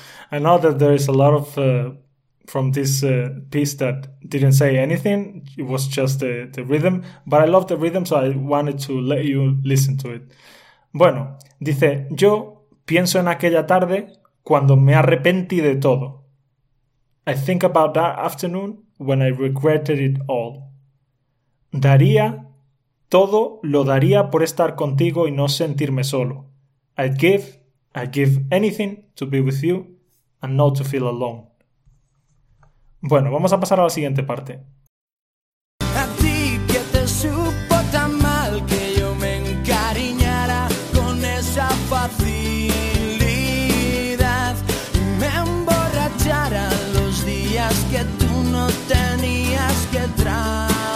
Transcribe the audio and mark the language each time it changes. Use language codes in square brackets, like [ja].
[en] I know that there is a lot of from this piece that didn't say anything. It was just the rhythm. But I love the rhythm, so I wanted to let you listen to it. [es] Bueno, dice, yo pienso en aquella tarde cuando me arrepentí de todo. [en] I think about that afternoon when I regretted it all. [es] Daría, todo lo daría por estar contigo y no sentirme solo. [en] I'd give anything to be with you and not to feel alone. [es] Bueno, vamos a pasar a la siguiente parte. A ti que te supo tan mal que yo me encariñara con esa facilidad y me emborrachara los días que tú no tenías que trabajar.